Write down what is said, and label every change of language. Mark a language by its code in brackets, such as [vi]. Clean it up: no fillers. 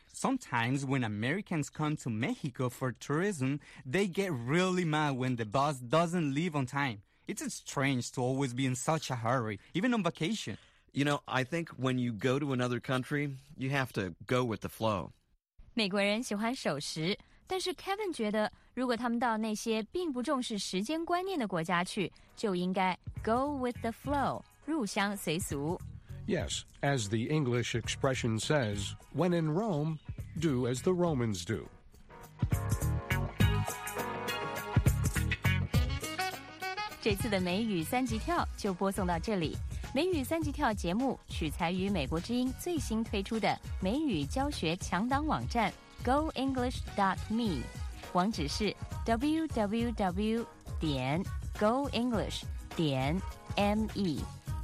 [en] Sometimes when Americans come to Mexico for tourism, they get really mad when the bus doesn't leave on time. It's strange to always be in such a hurry, even on vacation. You know, I think when you go to another country, you have to go with the flow. [zh] 美国人喜欢守时，但是 Kevin 觉得，如果他们到那些并不重视时间观念的国家去，就应该 go with the flow, 入乡随俗。 [en] Yes, as the English expression says, when in Rome, do as the Romans do. [zh] 这次的美语三级跳就播送到这里。美语三级跳节目取材于美国之音最新推出的美语教学强档网站 goenglish.me， 网址是 www.goenglish.me。